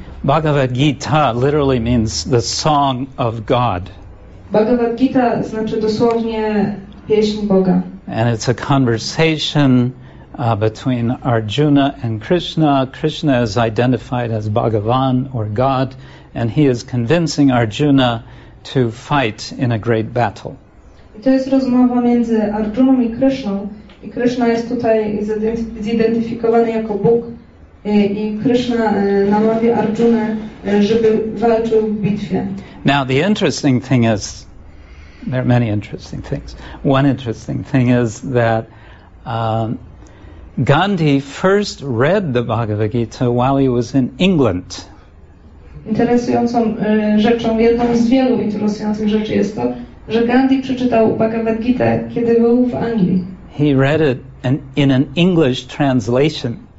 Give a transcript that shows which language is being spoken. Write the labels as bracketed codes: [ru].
[en] Bhagavad Gita literally means the song of God. [pl] Bhagavad Gita znaczy dosłownie pieśń Boga. [en] And it's a conversation between Arjuna and Krishna. Krishna is identified as Bhagavan or God, and he is convincing Arjuna to fight in a great battle. [pl] I to jest rozmowa między Arjuną i Krishną. I Krishna jest tutaj zidentyfikowany jako Bóg. I Krishna namawia Arjunę, żeby walczył w bitwie. [en] Now the interesting thing is, there are many interesting things. One interesting thing is that Gandhi first read the Bhagavad Gita while he was in England. [pl] Interesującą rzeczą, jedną z wielu interesujących rzeczy jest to, że Gandhi przeczytał Bhagavad Gita, kiedy był w Anglii. [en] He read it in an English translation.